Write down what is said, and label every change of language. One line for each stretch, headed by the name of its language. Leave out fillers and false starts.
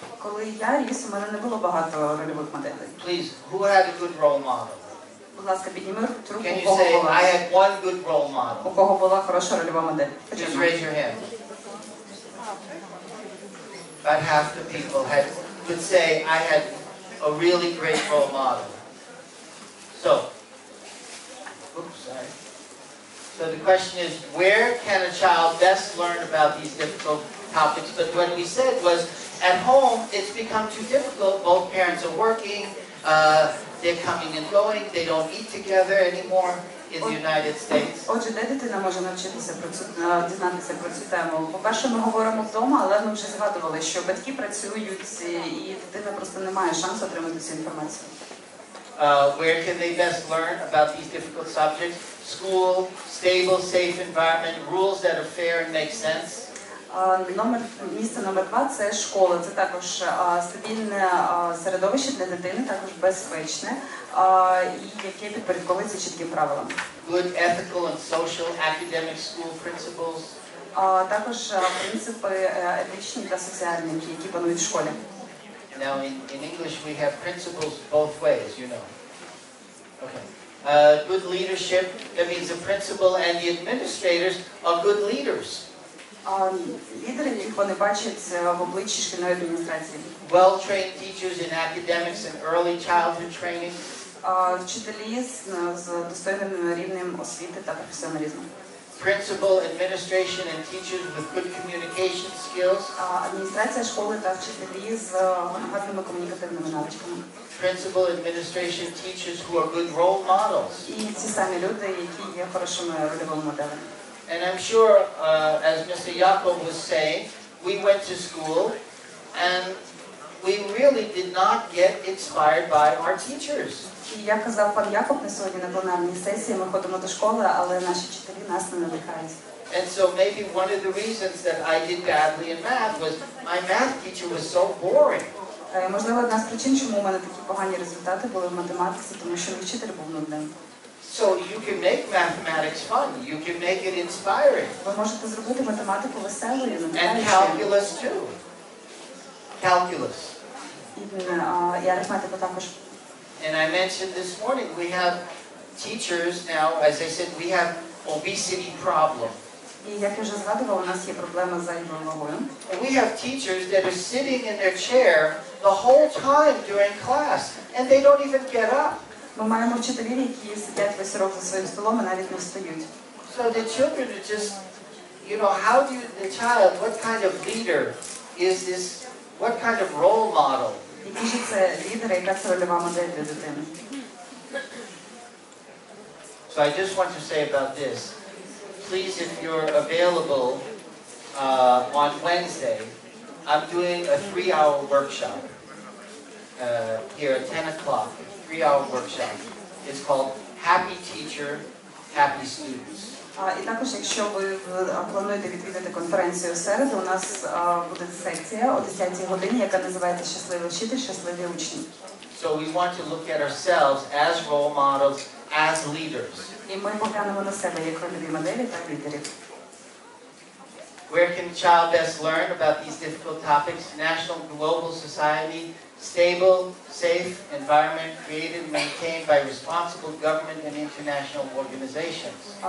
Ukrainian: Коли я ріс, у мене не було багато рольових моделей.
English: Please, who had a good role model?
Ukrainian: Будь ласка, підніми руку,
English: can you say, I had one good role model?
Ukrainian: У кого була хороша рольова модель?
English: Just raise your hand. About half the people had, would say, I had a really great role model. So, So the question is, where can a child best learn about these difficult topics? But what we said was, at home, it's become too difficult. Both parents are working, they're coming and going, they don't eat together anymore. in the United States.
Ukrainian: Отже, де дитина може навчитися про цю, дізнатися про цю тему? По-перше, ми говоримо вдома, але ми вже згадували, що батьки працюють, і дитина просто не має шансу отримати цю інформацію.
English: Where can they best learn about these difficult subjects? School, stable, safe environment, rules that are fair and make sense.
Ukrainian: Номер, місце номер два – це школа. Це також стабільне середовище для дитини, також безпечне, і яке підпорядковується чітким правилам.
English: Good ethical and social academic school principles.
Ukrainian: Також принципи етичні та соціальні, які панують в школі.
English: Now, in English we have principles both ways, you know. Okay. Good leadership, that means the principal and the administrators are good leaders.
Ukrainian: Лідери, як вони бачать в обличчі шкільної адміністрації.
English: Well-trained teachers in academics and early childhood training.
Ukrainian: Вчителі з достойним рівнем освіти та професіоналізму.
English: Principal, administration and teachers with good communication skills.
Ukrainian: Адміністрація школи та вчителі з гарними комунікативними навичками.
English: Principal, administration, teachers who are good role models.
Ukrainian: І ці самі люди, які є хорошими ролевими моделями.
English: And I'm sure, as Mr. Yaakov was saying, we went to school and we really did not get inspired by our teachers.
Ukrainian: Я казав, пан Яков, ми сьогодні на пленарній сесії, ми ходимо до школи, але наші вчителі нас не надихають.
English: And so maybe one of the reasons that I did badly in math was my math teacher was so boring.
Ukrainian: Можливо, одна з причин, чому у мене такі погані результати були в математиці, тому що вчитель був нудним.
English: So you can make mathematics fun, you can make it inspiring.
Ukrainian: Ви можете зробити математику веселою.
English: And calculus too. Calculus.
Ukrainian: І арифметику також.
English: And I mentioned this morning, we have teachers now, as I said, we have obesity problem.
Ukrainian: І як я вже згадував, у нас є проблема з задньою вагою.
English: And we have teachers that are sitting in their chair the whole time during class, and they don't even get up.
Ukrainian: Ми маємо вчителів, які сидять весь урок за своїм столом і навіть не встають.
English: So the children are just, you know, how do you, the child, what kind of leader is this, what kind of role model?
Ukrainian: Який же це лідер, яка це рольова модель для дитини?
English: So I just want to say about this. Please, if you're available on Wednesday, I'm doing a 3-hour workshop here at 10 o'clock. 3-hour workshop. It's called Happy Teacher, Happy Students.
Ukrainian: І також, якщо ви плануєте відвідати конференцію в середу, у нас буде секція о 10-й годині, яка називається «Щасливий вчитель, щасливі учні».
English: So we want to look at ourselves as role models, as leaders.
Ukrainian: І ми поглянемо на себе як рольові моделі та лідерів.
English: Where can a child best learn about these difficult topics? National, global society, stable, safe environment created and maintained by responsible government and international organizations.